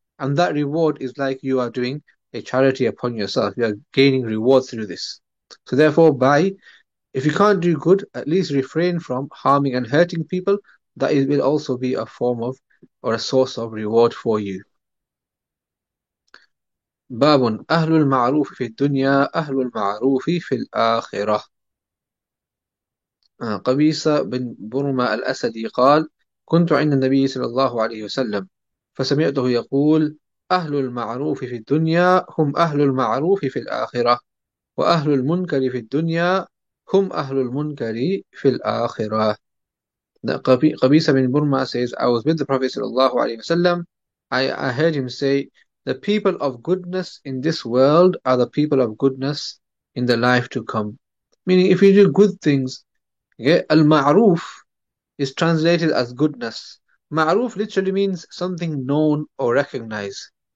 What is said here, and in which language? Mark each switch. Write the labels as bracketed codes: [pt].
[en] And that reward is like you are doing a charity upon yourself. You are gaining reward through this. So therefore, by, if you can't do good, at least refrain from harming and hurting people. That it will also be a form of, or a source of reward for you. [ar] بابٌ أهل المعروف في الدنيا أهل المعروف في الآخرة. قبيصة بن برمة الأسدي قال كنت عند النبي صلى الله عليه وسلم فسمعته يقول أهل المعروف في الدنيا هم أهل المعروف في الآخرة وأهل المنكر في الدنيا هم أهل المنكر في الآخرة. قبيصة بن برمة [en] says, I was with the Prophet [ar] صلى الله عليه وسلم. [en] I heard him say, the people of goodness in this world are the people of goodness in the life to come. Meaning, if you do good things, al-ma'ruf is translated as goodness. Ma'ruf literally means something known or recognized.